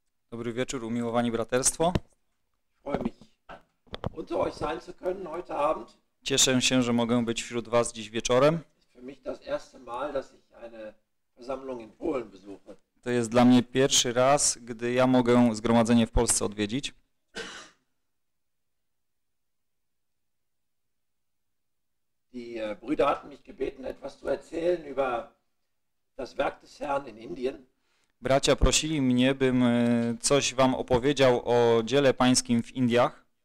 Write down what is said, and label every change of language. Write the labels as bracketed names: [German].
[Polish] Dobry wieczór, umiłowani braterstwo. [German] Freue mich, unter euch sein zu können heute Abend. [Polish] Cieszę się, że mogę być wśród was dziś wieczorem. [German] Für mich das erste Mal, dass ich eine Versammlung in Polen besuche. [Polish] To jest dla mnie pierwszy raz, gdy ja mogę zgromadzenie w Polsce odwiedzić. [German] Die Brüder hatten mich gebeten, etwas zu erzählen über das Werk des Herrn in Indien. [Polish] Bracia prosili mnie, bym coś wam opowiedział o dziele pańskim w Indiach.